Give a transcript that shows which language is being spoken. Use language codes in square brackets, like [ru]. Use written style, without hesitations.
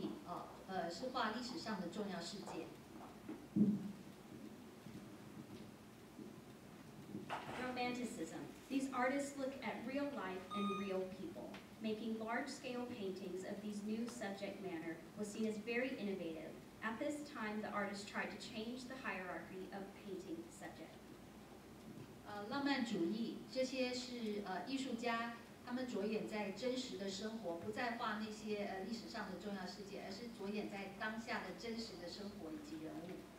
[zh] 新古典主义是画历史上的重要事件。 [en] Romanticism, these artists look at real life and real people. Making large-scale paintings of these new subject matter was seen as very innovative. At this time, the artist tried to change the hierarchy of painting subject. [zh] 浪漫主义，这些是艺术家，他们着眼在真实的生活，不再画那些历史上的重要事件，而是着眼在当下的真实的生活以及人物。